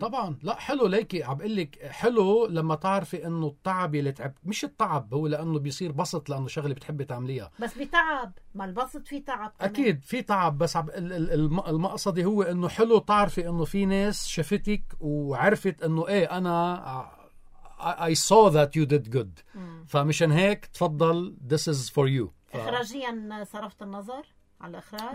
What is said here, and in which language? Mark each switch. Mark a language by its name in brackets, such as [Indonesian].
[Arabic] طبعاً لا حلو ليكي، عم بقلك حلو لما تعرفي إنه التعب اللي تعب، مش التعب هو لأنه بيصير بسط لأنه شغلة بتحبي تعمليها. بس بتعب، ما البسط فيه تعب كمان. أكيد في تعب، بس المقصدي هو إنه حلو تعرفي إنه في ناس شفتك وعرفت إنه إيه أنا [English] I saw that you did good. [Arabic] فمشان هيك تفضل [English] this is for you. [Arabic] إخراجياً صرفت النظر على الإخراج؟